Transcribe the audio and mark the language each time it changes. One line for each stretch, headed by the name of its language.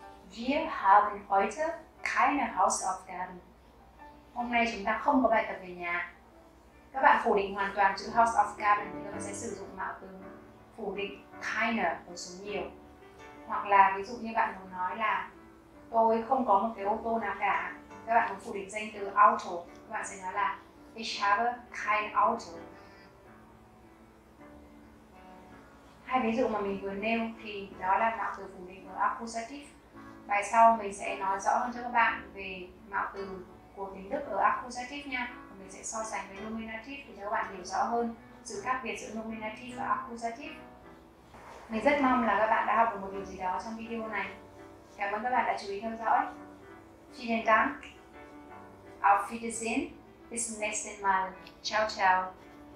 German: Wir haben heute keine Hausaufgaben.
Vietnamese: Hôm nay chúng ta không có bài tập về nhà. Các bạn phủ định hoàn toàn chữ Hausaufgaben thì các bạn sẽ sử dụng mạo từ phủ định keine của số nhiều. Hoặc là ví dụ như bạn muốn nói là tôi không có một cái ô tô nào cả, các bạn muốn phủ định danh từ Auto, các bạn sẽ nói là
German: ich habe kein Auto.
Vietnamese: Hai ví dụ mà mình vừa nêu thì đó là mạo từ phủ định và accusative. Bài sau mình sẽ nói rõ hơn cho các bạn về mạo từ của tiếng Đức ở accusative nha. Mình sẽ so sánh với nominative để cho các bạn hiểu rõ hơn sự khác biệt giữa nominative và accusative. Mình rất mong là các bạn đã học được một điều gì đó trong video này. Cảm ơn các bạn đã chú ý theo dõi.
German: Vielen Dank. Auf Wiedersehen. Bis zum nächsten Mal. Ciao ciao.